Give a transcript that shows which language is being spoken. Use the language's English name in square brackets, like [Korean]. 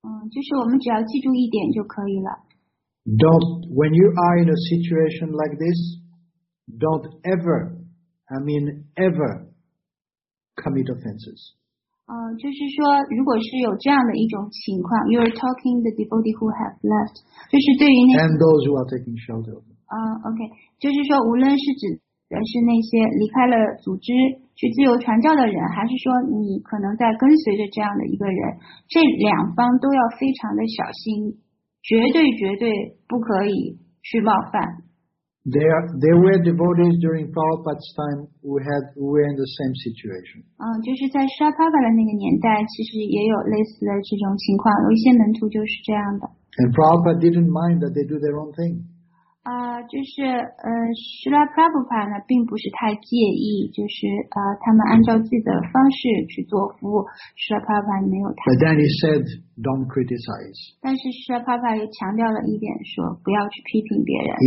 [Chinese] 就是我们只要记住一点就可以了。 [English] When you are in a situation like this, don't ever, ever commit offenses. [Chinese] 就是说如果是有这样的一种情况， [English] you are talking the devotee who have left, [Chinese] 就是对于那 [English] and those who are taking shelter. [Chinese] Okay, 就是说无论是指但是那些离开了组织去自由传教的人，还是说你可能在跟随着这样的一个人，这两方都要非常的小心，绝对绝对不可以去冒犯。 [English] There were devotees during Prabhupada's time who were in the same situation. [Chinese] 就是在 Shapapa 的那个年代，其实也有类似的这种情况，有一些门徒就是这样的。 [English] And Prabhupada didn't mind that they do their own thing. [Chinese] 就是Srila Prabhupada 呢并不是太介意，就是他们按照自己的方式去做服务， Srila Prabhupada 没有太介意。 [English] But then he said, don't criticize. [Chinese] 但是 Srila Prabhupada 又强调了一点，说不要去批评别人。